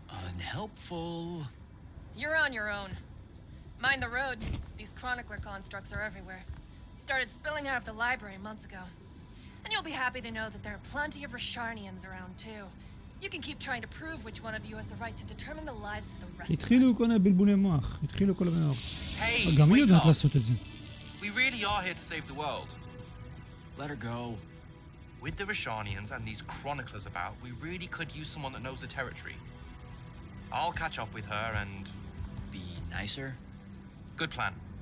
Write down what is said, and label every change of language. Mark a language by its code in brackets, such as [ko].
[en] Unhelpful. You're on your own. Mind the road. These chronicler constructs are everywhere. Started spilling out of the library months ago. And you'll be happy to know that there are plenty of Asharnians around, too. You can keep trying to prove which one of you has the right to determine the lives of the rest. [he] התחילו כל הבלבולי מוח, התחילו כל המוח. [en] Hey, [he] גם היא יודעת לעשות את זה. [en] We really are here to save the world. Let her go. With the Rishanians and these chroniclers about, we really could use someone that knows the territory. I'll catch up with her and be nicer. Good plan.